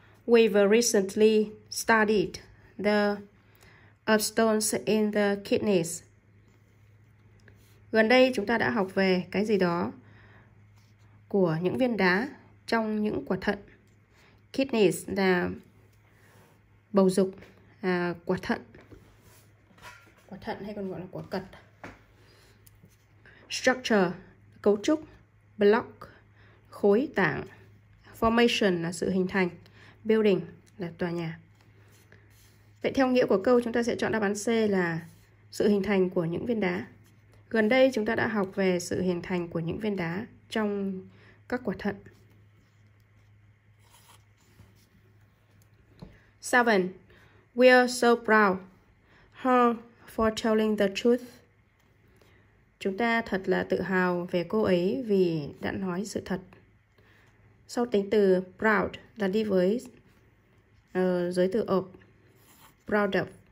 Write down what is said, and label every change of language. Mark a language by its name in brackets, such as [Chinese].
[English] We've recently studied the upstones in the kidneys. [Vietnamese] Gần đây chúng ta đã học về cái gì đó của những viên đá trong những quả thận. Kidneys là bầu dục, là quả thận. Quả thận hay còn gọi là quả cật. Structure, cấu trúc. Block, khối tảng. Formation là sự hình thành. Building là tòa nhà. Vậy theo nghĩa của câu chúng ta sẽ chọn đáp án C là sự hình thành của những viên đá. Gần đây chúng ta đã học về sự hình thành của những viên đá trong các quả thận. [English] 7. We're so proud her for telling the truth. [Vietnamese] Chúng ta thật là tự hào về cô ấy vì đã nói sự thật. Sau tính từ proud là đi với giới từ of, proud of.